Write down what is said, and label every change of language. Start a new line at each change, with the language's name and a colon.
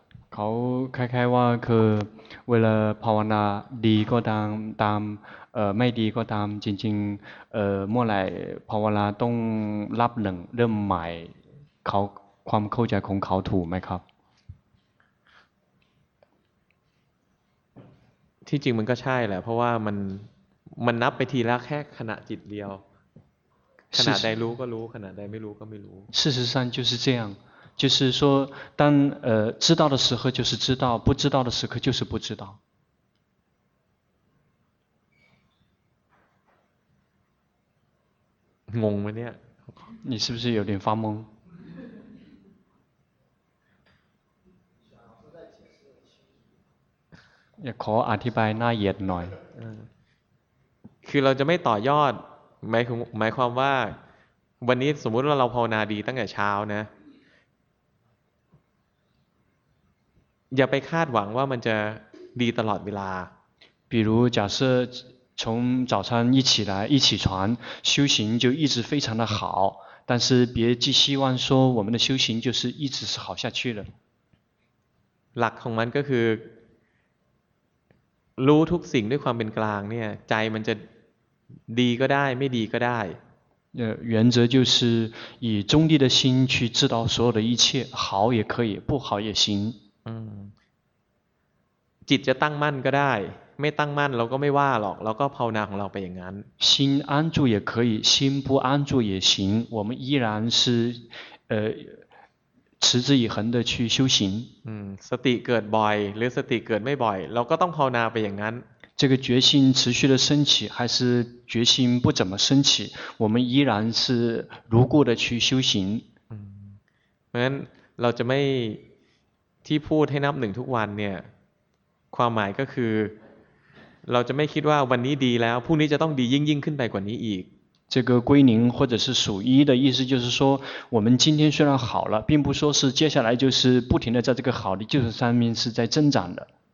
Thai: เขาคล้ายๆว่าคือเวลาภาวนาดีก็ตามไม่ดีก็ตามจริงๆเมื่อไหร่ภาวนาต้องรับหนึ่งเริ่มใหม่เขาความเข้าใจของเขาถูกไหมครับ ที่จริงมันก็ใช่แหละเพราะว่ามันนับไปทีละแค่ขณะจิตเดียวขณะใดรู้ก็รู้ขณะใดไม่รู้ก็ไม่รู้
Chinese: 事实上就是这样就是说当知道的时候就是知道不知道的时刻就是不知道
Thai: งงไหมเนี่ย
Chinese: 你是不是有点发懵
Thai: ขออธิบายน่าเหยียดหน่อย คือเราจะไม่ต่อยอดหมายความว่าวันนี้สมมุติว่าเราภาวนาดีตั้งแต่เช้านะอย่าไปคาดหวังว่ามันจะดีตลอดเวลา
Chinese: 比如假设从早上一起来一起床修行就一直非常的好但是别寄希望说我们的修行就是一直是好下去的
Thai: หลักของมันก็คือรู้ทุกสิ่งด้วยความเป็นกลางเนี่ยใจมันจะดีก็ได้ไม่ดีก็ได้
Chinese: 原则就是以中立的心去知道所有的一切好也可以不好也行
Thai: จิตจะตั้งมั่นก็ได้ไม่ตั้งมั่นเราก็ไม่ว่าหรอกเราก็ภาวนาของเราไปอย่างนั้น
Chinese: 心安住也可以心不安住也行我们依然是持之以恒的去修行
Thai: สติเกิดบ่อยหรือสติเกิดไม่บ่อยเราก็ต้องภาวนาไปอย่างนั้น
Chinese: 这个决心持续的升起还是决心不怎么升起我们依然是如故的去修行
Thai: เพราะฉะนั้นเราจะไม่ที่พูดให้นับหนึ่งทุกวันเนี่ยความหมายก็คือเราจะไม่คิดว่าวันนี้ดีแล้วพรุ่งนี้จะต้องดียิ่งขึ้นไปกว่านี้อีก
Chinese: 这个归零或者是数一的意思就是说我们今天虽然好了并不说是接下来就是不停的在这个好的就是上面是在增长的